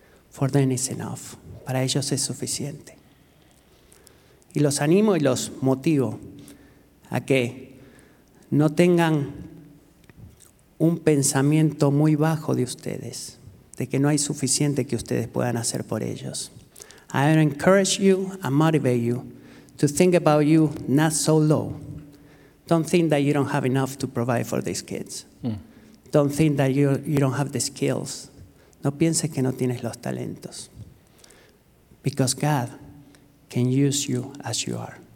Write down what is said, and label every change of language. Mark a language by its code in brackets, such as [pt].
[en] For them is enough. [es] Para ellos es suficiente. Y los animo y los motivo a que no tengan un pensamiento muy bajo de ustedes, de que no hay suficiente que ustedes puedan hacer por ellos. [en] I encourage you and motivate you to think about you not so low. Don't think that you don't have enough to provide for these kids. Don't think that you don't have the skills. [es] No pienses que no tienes los talentos. [en] Because God can use you as you are.